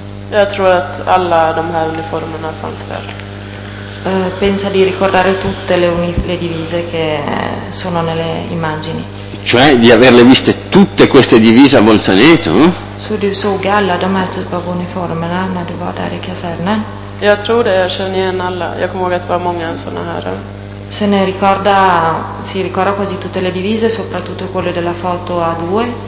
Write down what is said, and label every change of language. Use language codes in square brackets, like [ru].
[sv] Jag tror att alla de här uniformerna fanns där. [it] Pensa di ricordare tutte le divise che sono nelle immagini. Cioè di averle viste tutte queste divise a Bolzaneto? [sv] Så du såg alla de här typ av uniformerna när du var där i kasernen? Jag tror det, jag känner igen alla. Jag kommer ihåg att det var många såna här. [it] Se ne ricorda, si ricorda quasi tutte le divise, soprattutto quelle della foto A2.